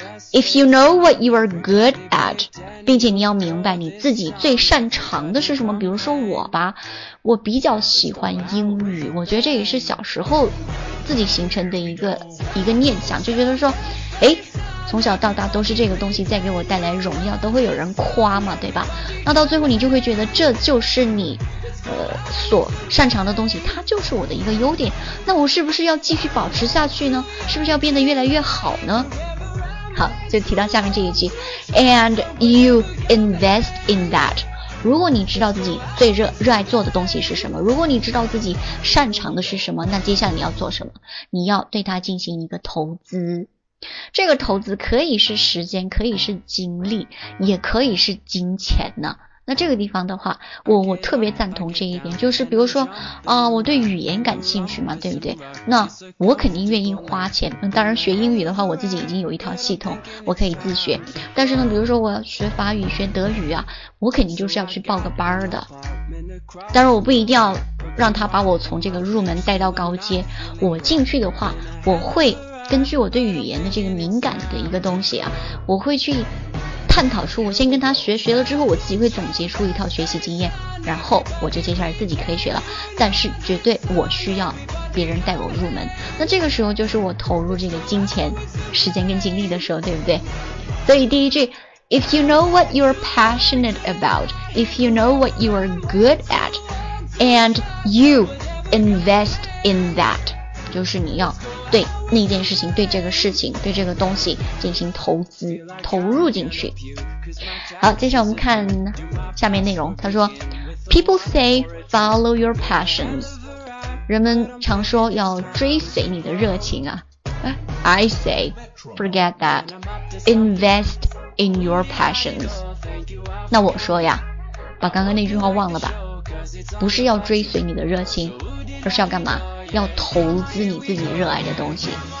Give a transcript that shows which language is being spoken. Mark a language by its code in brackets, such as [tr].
[en] If you know what you are good at, [zh] 并且你要明白你自己最擅长的是什么。比如说我吧，我比较喜欢英语，我觉得这也是小时候自己形成的一个念想，就觉得说，诶，从小到大都是这个东西在给我带来荣耀，都会有人夸嘛，对吧？那到最后你就会觉得这就是你所擅长的东西，它就是我的一个优点，那我是不是要继续保持下去呢？是不是要变得越来越好呢？好，就提到下面这一句 [en] And you invest in that。 [zh] 如果你知道自己最热爱做的东西是什么，如果你知道自己擅长的是什么，那接下来你要做什么？你要对它进行一个投资。这个投资可以是时间，可以是精力，也可以是金钱呢。那这个地方的话，我特别赞同这一点，就是比如说我对语言感兴趣嘛，对不对？那我肯定愿意花钱。当然学英语的话，我自己已经有一套系统，我可以自学。但是呢，比如说我要学法语，学德语啊，我肯定就是要去报个班的。但是我不一定要让他把我从这个入门带到高阶，我进去的话，我会根据我对语言的这个敏感的一个东西啊，我会去探讨出，我先跟他学，学了之后我自己会总结出一套学习经验，然后我就接下来自己可以学了，但是绝对我需要别人带我入门。那这个时候就是我投入这个金钱时间跟精力的时候，对不对？ [en] 所以第一句 If you know what you're passionate about, If you know what you're good at, And you invest in that, [zh] 就是你要对那件事情，对这个事情，对这个东西进行投资，投入进去。好，接下来我们看下面内容。他说 [en] People say follow your passions, [zh] 人们常说要追随你的热情啊。 [en] I say forget that, invest in your passions。 [zh] 那我说呀，把刚刚那句话忘了吧，不是要追随你的热情，而是要干嘛？要投资你自己热爱的东西。